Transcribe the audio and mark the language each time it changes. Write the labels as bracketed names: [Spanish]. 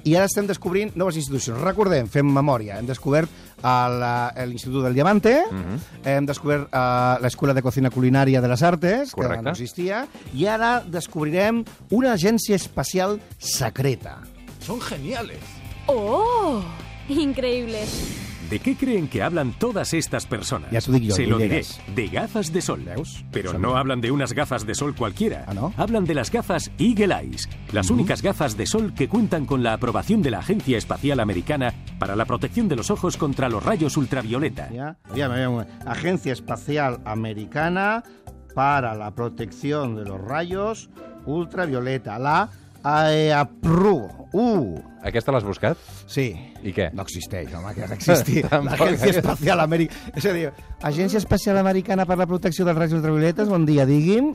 [Catalan] I ara estem descobrint noves institucions. Recordem, fem memòria, hem descobert l'Institut del Diamante, hem descobert l'Escola de Cocina Culinària de les Artes, correcte, que no existia, i ara descobrirem una agència espacial secreta. Són [Spanish] geniales! ¡Oh! Increíble. ¿De qué creen que hablan todas estas personas? Ya digo, se lo diré. De gafas de sol. Pero no hablan de unas gafas de sol cualquiera. Hablan de las gafas Eagle Eyes, las únicas gafas de sol que cuentan con la aprobación de la Agencia Espacial Americana para la protección de los ojos contra los rayos ultravioleta. Agencia Espacial Americana para la protección de los rayos ultravioleta. La AEAPRU. [Catalan] Aquesta l'has buscat? Sí. I què? No existeix, home, que ha d'existir. L'Agència Espacial Americana. És a dir, Agència Espacial Americana per la Protecció dels Rajos Ultravioletes, bon dia, digui'm.